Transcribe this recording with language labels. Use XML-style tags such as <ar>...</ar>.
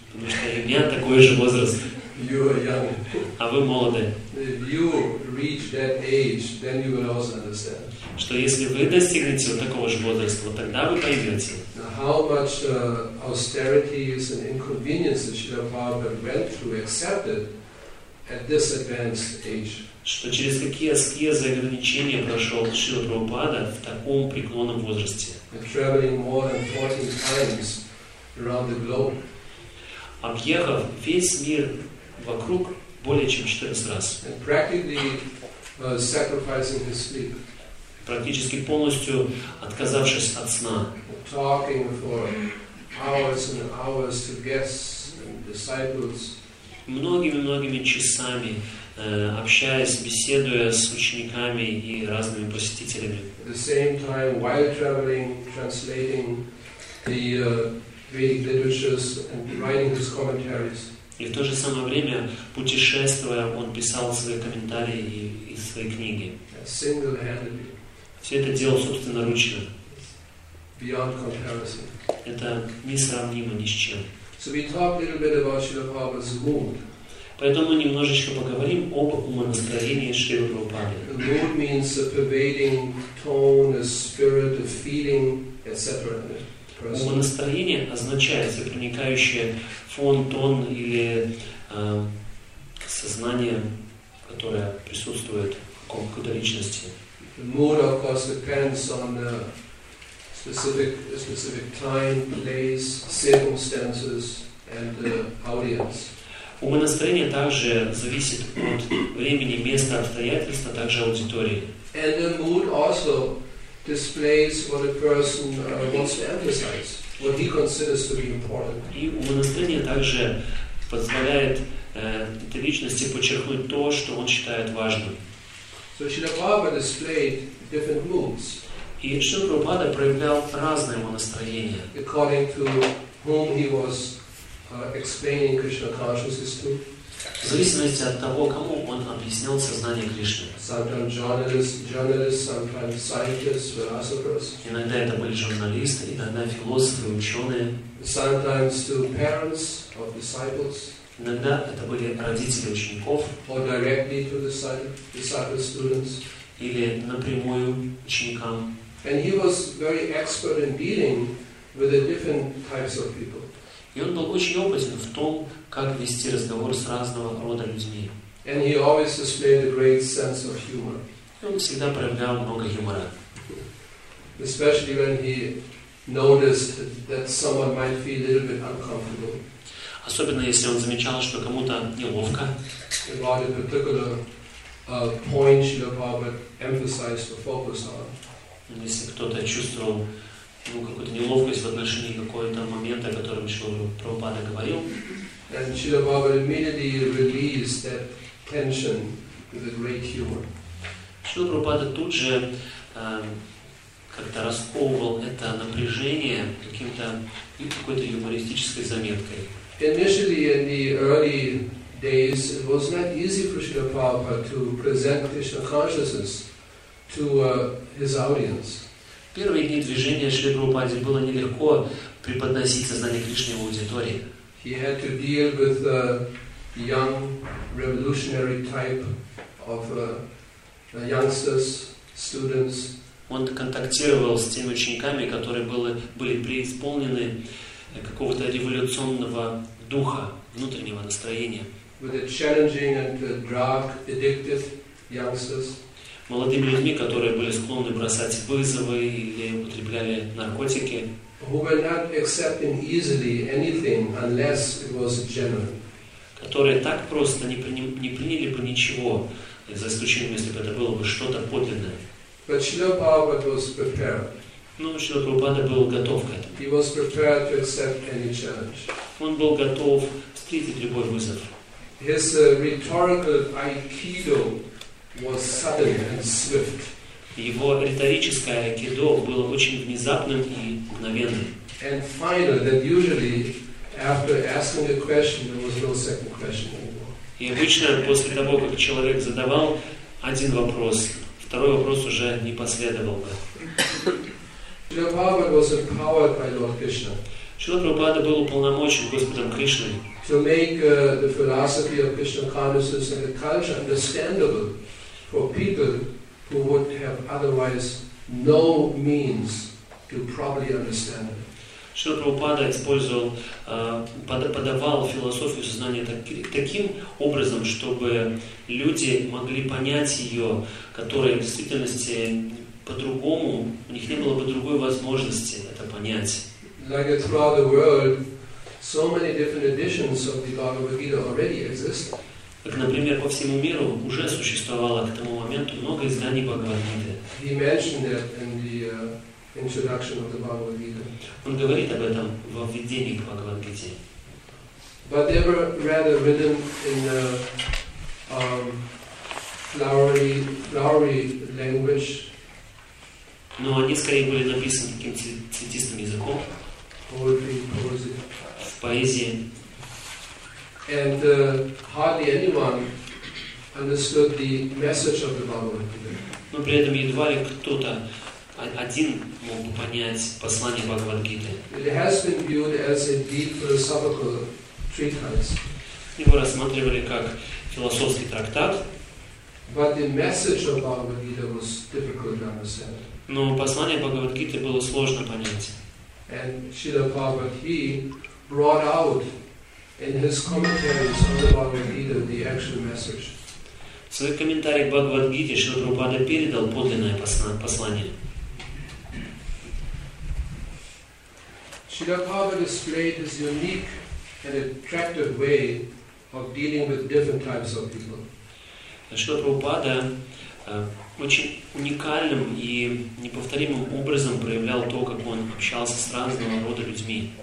<ru>Потому что у меня такой же возраст.</ru> <en>You are young.</en> <ru>А вы молоды.</ru> <en>If you reach that age, then you will also understand.</en> <ru>Что если вы достигнете вот такого же возраста, вот тогда вы поймете.</ru> <en>How much austerities and inconveniences Srila Prabhupada went through, accepted at this advanced age.</en> <ru>Что через какие аскезы и ограничения прошел Шрила Прабхупада в таком преклонном возрасте.</ru> <en>And traveling more than 14 times around the globe.</en> <ru>Объехав весь мир вокруг более чем 14 раз.</ru> <en>And practically sacrificing his sleep.</en> <ru>Практически полностью отказавшись от сна.</ru> <en>Talking for hours and hours to guests and disciples.</en> <ru>Многими-многими часами общаясь, беседуя с учениками и разными посетителями.</ru> <en>At the same time, while traveling, translating the Vedic literatures and writing his commentaries.</en> <ru>И в то же самое время, путешествуя, он писал свои комментарии и свои книги.</ru> <en>Single-handedly.</en> <ru>Все это делал собственноручно.</ru> <en>Beyond comparison.</en> <ru>Это несравнимо ни с чем.</ru> <en>So we talk a little bit about Srila Prabhupada's mood.</en> <ru>Поэтому немножечко поговорим об умонастроении Шрилы Прабхупады.</ru> <en>Mood means a pervading tone, a spirit, a feeling, etc.</en> <ru>Умонастроение означает проникающий фон, тон или сознание, которое присутствует в какой-то личности.</ru> <en>Mood, of course, depends on specific time, place, circumstances, and audience.</en> <ru>Умонастроение также зависит от времени, места, обстоятельств, а также аудитории.</ru> <en>And the mood also displays what a person wants to emphasize, what he considers to be important.</en> <ru>И умонастроение также позволяет этой личности подчеркнуть то, что он считает важным.</ru> <en>So Srila Prabhupada displayed different moods.</en> <ru>И Шрила Прабхупада проявлял разное умонастроение.</ru> <en>According to whom he was explaining Krishna consciousness to.</en> <ru>В зависимости от того, кому он объяснял сознание Кришны.</ru> <en>Sometimes journalists, sometimes scientists, philosophers.</en> <ru>Иногда это были журналисты, иногда философы, ученые.</ru> <en>Sometimes to parents of disciples.</en> <ru>Иногда это были родители учеников.</ru> <en>Or directly to disciples, students.</en> <ru>Или напрямую ученикам.</ru> <en>And he was very expert in dealing with the different types of people.</en> <ru>И он был очень опытен в том, как вести разговор с разного рода людьми.</ru> <en>And he always displayed a great sense of humor.</en> <ru>И он всегда проявлял много юмора.</ru> <en>Especially when he noticed that someone might feel a little bit uncomfortable.</en> <ru>Особенно если он замечал, что кому-то неловко.</ru> <en>About a particular point Srila Prabhupada emphasized or focused on.</en> <ru>Если кто-то чувствовал какую-то неловкость в отношении какого-то момента, о котором Шрила Прабхупада говорил.</ru> <en>And Srila Prabhupada immediately released that tension with a great humor.</en> <ru>Шрила Прабхупада тут же как-то расковывал это напряжение каким-то и какой-то юмористической заметкой.</ru> <en>Initially, in the early days, it was not easy for Srila Prabhupada to present Krishna consciousness to his audience.</en> <ru>В первые дни движения Шрила Прабхупаде было нелегко преподносить сознание Кришны его аудитории.</ru> <en>He had to deal with a young revolutionary type of youngsters, students.</en> <ru>Он контактировал с теми учениками, которые были преисполнены какого-то революционного духа, внутреннего настроения.</ru> <en>With the challenging and drug-addicted youngsters.</en> <ru>Молодыми людьми, которые были склонны бросать вызовы или употребляли наркотики.</ru> <en>Who were not accepting easily anything unless it was genuine.</en> <ru>Которые так просто не приняли бы ничего, за исключением, если бы это было бы что-то подлинное.</ru> <en>But Srila Prabhupada was prepared.</en> <ru>Но Шрила Прабхупада был готов к этому.</ru> <en>He was prepared to accept any challenge.</en> <ru>Он был готов встретить любой вызов.</ru> <en>His rhetorical aikido was sudden and swift.</en> <ru>Его риторическое айкидо было очень внезапным и мгновенным.</ru> <en>And finally, that usually after asking a question, there was no second question anymore.</en> <ru>И обычно после того, как человек задавал один вопрос, второй вопрос уже не последовал бы.</ru> <en>Шрила Прабхупада was empowered by Lord Krishna.</en> <ru>Шрила Прабхупада был уполномочен Господом Кришной.</ru> <en>To make the philosophy of Krishna consciousness and the culture understandable for people who would have otherwise no means to properly understand it.</en> <ru>Шрила Прабхупада использовал, подавал философию сознания таким образом, чтобы люди могли понять ее, которая в действительности по-другому, у них не было бы другой возможности это понять.</ru> <en>Like throughout the world, so many different editions of the Bhagavad Gita already exist.</en> <ru>Как, например, по всему миру уже существовало к тому моменту много изданий Бхагавад Гиты.</ru> <en>He mentioned that in the introduction of the Bhagavad Gita.</en> <ru>Он говорит об этом во введении к Бхагавад Гите.</ru> <en>But they were rather written in the flowery language.</en> <ru>Но они скорее были написаны каким-то цветистым языком.</ru> <en>Poetry.</en> <ru>В поэзии.</ru> <en>And hardly anyone understood the message of the Bhagavad Gita.</en> <ru>Но при этом едва ли кто-то один мог бы понять послание Бхагавад Гиты.</ru> <en>It has been viewed as a deep philosophical treatise.</en> <ru>Его рассматривали как философский трактат.</ru> <en>But the message of Bhagavad Gita was difficult to understand.</en> <ru>Но послание Бхагавад Гиты было сложно понять.</ru> <en>And Srila Prabhupada, he brought out in his commentaries on the Bhagavad Gita the actual message.</en> <ru>В своих комментариях к Бхагавад Гите Шрила Прабхупада передал подлинное послание.</ru> <en>Srila Prabhupada displayed his unique and attractive way of dealing with different types of people.</en> <ru>Шрила Прабхупада очень уникальным и неповторимым образом проявлял то, как он общался с разного рода людьми.</ru>